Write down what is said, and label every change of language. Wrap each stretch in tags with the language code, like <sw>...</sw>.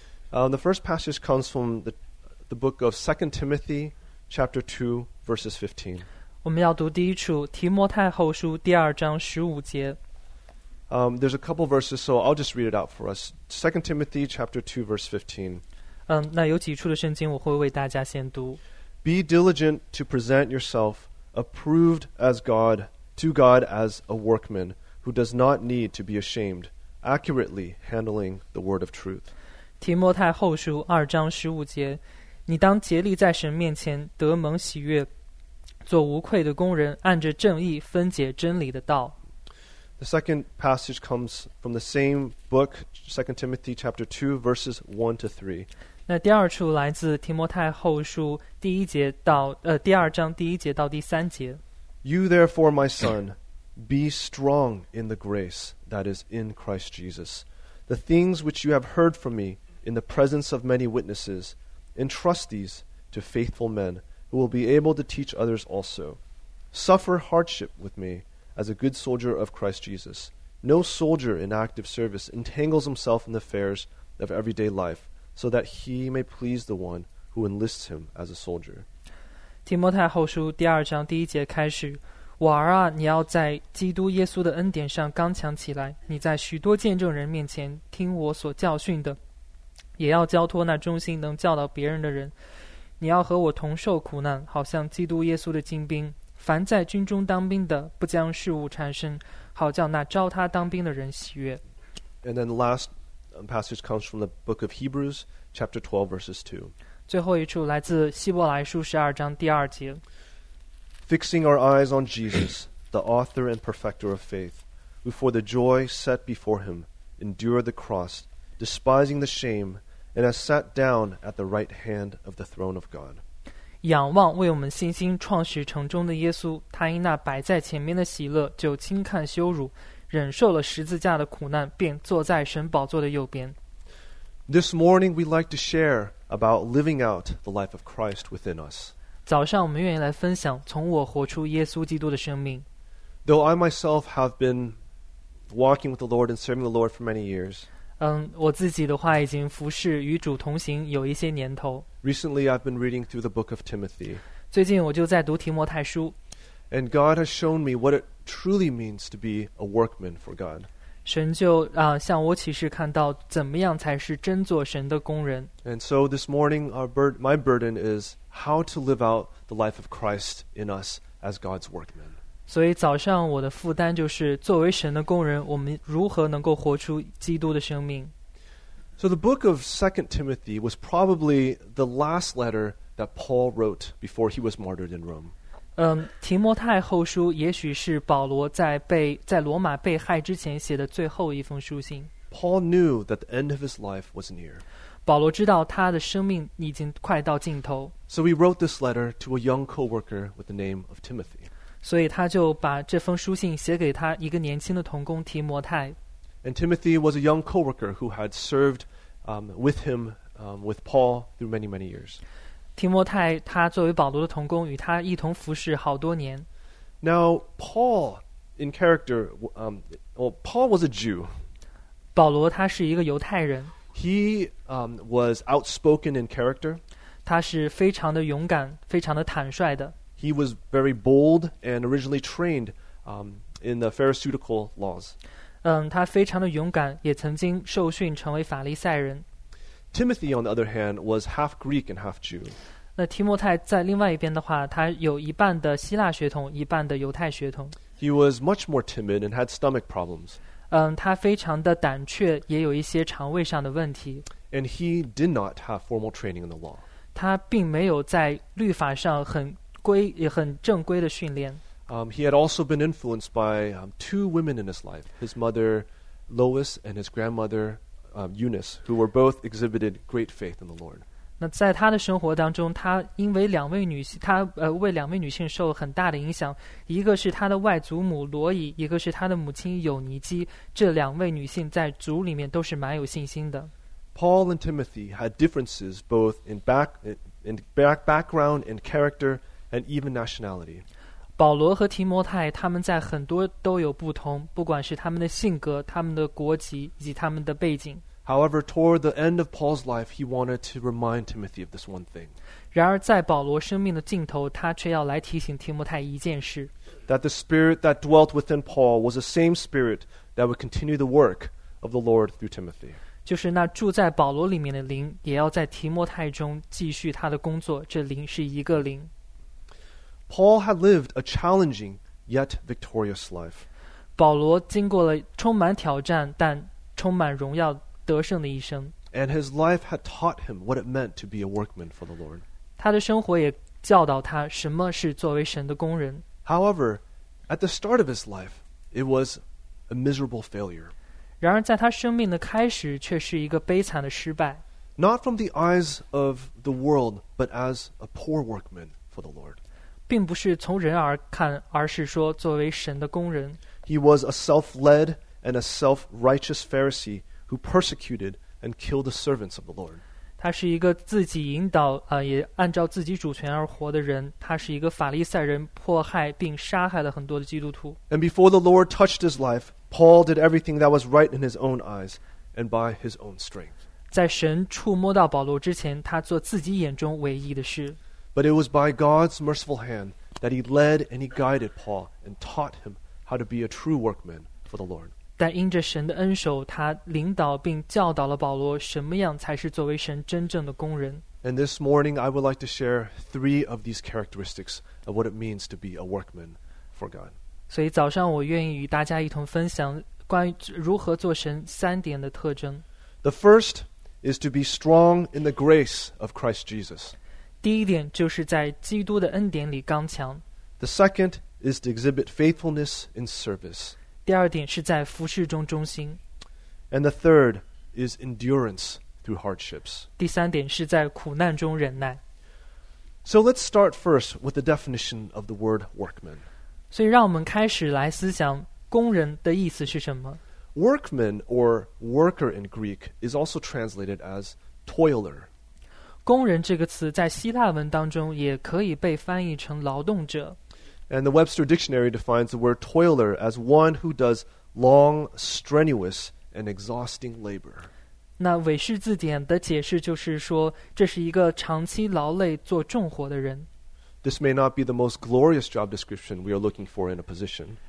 <en>The first passage comes from the book of 2 Timothy chapter 2 verses 15.</en> <zh>我们要读第一处提摩太后书第二章十五节。</zh> <en>There's a couple verses, so I'll just read it out for us. 2 Timothy chapter 2 verse 15.</en> <zh>那有几处的圣经我会为大家先读。</zh> <en>Be diligent to present yourself approved as God, to God as a workman who does not need to be ashamed, accurately handling the word of truth.</en> <zh>提摩太后书二章十五节，你当竭力在神面前得蒙喜悦，做无愧的工人，按着正义分解真理的道。</zh> <en>The second passage comes from the same book, 2 Timothy chapter 2, verses 1 to 3.</en> <zh>那第二处来自提摩太后书第一节到第二章第一节到第三节。</zh> <en>You therefore, my son, be strong in the grace that is in Christ Jesus. The things which you have heard from me in the presence of many witnesses, entrust these to faithful men who will be able to teach others also. Suffer hardship with me as a good soldier of Christ Jesus. No soldier in active service entangles himself in the affairs of everyday life so that he may please the one who enlists him as a soldier.</en> <zh>提摩太后书第二章第一节开始，我儿啊，你要在基督耶稣的恩典上刚强起来，你在许多见证人面前听我所教训的，也要交托那忠心能教导别人的人，你要和我同受苦难，好像基督耶稣的精兵。凡在军中当兵的，不将事务缠身，好叫那招他当兵的人喜悦。</zh> <en>And then the last passage comes from the book of Hebrews, chapter 12, verses 2.</en> <zh>最后一处来自希伯来书十二章第二节。</zh> <en>Fixing our eyes on Jesus, the author and perfecter of faith, who for the joy set before him endured the cross, despising the shame, and has sat down at the right hand of the throne of God.</en> <zh>仰望为我们信心创始成终的耶稣，他因那摆在前面的喜乐就轻看羞辱，忍受了十字架的苦难，便坐在神宝座的右边。</zh> <en>This morning we'd like to share about living out the life of Christ within us.</en> <zh>早上我们愿意来分享从我活出耶稣基督的生命。</zh> <en>Though I myself have been walking with the Lord and serving the Lord for many years,</en> <zh>我自己的话已经服侍与主同行有一些年头。</zh> <en>Recently, I've been reading through the book of Timothy.</en> <zh>最近我就在读提摩太书。</zh> <en>And God has shown me what it truly means to be a workman for God.</en> <zh>神就向我启示看到怎么样才是真做神的工人。</zh> <en>And so this morning, my burden is how to live out the life of Christ in us as God's workmen.</en> <zh>所以早上我的负担就是作为神的工人，我们如何能够活出基督的生命。</zh> <en>So the book of 2 Timothy was probably the last letter that Paul wrote before he was martyred in Rome.</en> <zh>提摩太后书也许是保罗在罗马被害之前写的最后一封书信。</zh> <en>Paul knew that the end of his life was near.</en> <zh>保罗知道他的生命已经快到尽头。</zh> <en>So he wrote this letter to a young co-worker with the name of Timothy.</en> <zh>所以他就把这封书信写给他一个年轻的同工提摩太。</zh> <en>And Timothy was a young co-worker who had served with him, with Paul, through many, many years.</en> <zh>提摩太他作为保罗的同工与他一同服侍好多年。</zh> <en>Now, Paul, in character, Paul was a Jew.</en> <zh>保罗他是一个犹太人。</zh> <en>He was outspoken in character.</en> <zh>他是非常的勇敢，非常的坦率的。</zh> <en>He was very bold and originally trained in the pharmaceutical laws.</en> <zh>他非常的勇敢，也曾经受训成为法利赛人。</zh> <en>Timothy, on the other hand, was half Greek and half Jew.</en> <zh>那提摩太在另外一边的话，他有一半的希腊血统，一半的犹太血统。</zh> <en>He was much more timid and had stomach problems.</en> <zh>他非常的胆怯，也有一些肠胃上的问题。</zh> <en>And he did not have formal training in the law.</en> <zh>他并没有在律法上很正规的训练。</zh> <en>He had also been influenced by two women in his life, his mother Lois and his grandmother Eunice, who were both exhibited great faith in the Lord.</en> <zh>那在他的生活当中，他因为两位女性，为两位女性受了很大的影响。一个是他的外祖母罗伊，一个是他的母亲尤尼基。这两位女性在族里面都是蛮有信心的。</zh> <en>Paul and Timothy had differences both in background and character and even nationality.</en> <zh>保罗和提摩太他们在很多都有不同，不管是他们的性格、他们的国籍以及他们的背景。</zh> <en>However, toward the end of Paul's life, he wanted to remind Timothy of this one thing.</en> <zh>然而在保罗生命的尽头，他却要来提醒提摩太一件事。</zh> <en>That the spirit that dwelt within Paul was the same spirit that would continue the work of the Lord through Timothy.</en> <zh>就是那住在保罗里面的灵，也要在提摩太中继续他的工作，这灵是一个灵。</zh> <en>Paul had lived a challenging yet victorious life.</en> <zh>保罗经过了充满挑战但充满荣耀得胜的一生。</zh> <en>And his life had taught him what it meant to be a workman for the Lord.</en> <zh>他的生活也教导他什么是作为神的工人。</zh> <en>However, at the start of his life, it was a miserable failure.</en> <zh>然而在他生命的开始却是一个悲惨的失败。</zh> <en>Not from the eyes of the world, but as a poor workman for the Lord.</en> <zh>并不是从人而看，而是说作为神的工人。</zh> <en>He was a self-led and a self-righteous Pharisee who persecuted and killed the servants of the Lord.</en> <zh>他是一个自己引导，也按照自己主权而活的人。他是一个法利赛人，迫害并杀害了很多的基督徒。</zh> <en>And before the Lord touched his life, Paul did everything that was right in his own eyes and by his own strength.</en> <zh>在神触摸到保罗之前，他做自己眼中唯一的事。</zh> <en>But it was by God's merciful hand that he led and he guided Paul and taught him how to be a true workman for the Lord.</en> <zh>但因着神的恩手，他领导并教导了保罗什么样才是作为神真正的工人。</zh> <en>And this morning, I would like to share three of these characteristics of what it means to be a workman for God.</en> <zh>所以早上我愿意与大家一同分享关于如何做神三点的特征。</zh> <en>The first is to be strong in the grace of Christ Jesus.</en> <zh>第一点就是在基督的恩典里刚强。</zh> <en>The second is to exhibit faithfulness in service.</en> <zh>第二点是在服事中忠心。</zh> <en>And the third is endurance through hardships.</en> <zh>第三点是在苦难中忍耐。</zh> <en>So let's start first with the definition of the word workman.</en> <zh>所以让我们开始来思想工人的意思是什么。</zh> <en>Workman or worker in Greek is also translated as toiler.</en> <zh>工人这个词在希腊文当中也可以被翻译成劳动者。</zh> <en>And the Webster Dictionary defines the word toiler as one who does long, strenuous, and exhausting labor.</en> <zh>那韦氏字典的解释就是说，这是一个长期劳累做重活的人。</zh> <en>This may not be the most glorious job description we are looking for in a position.</en>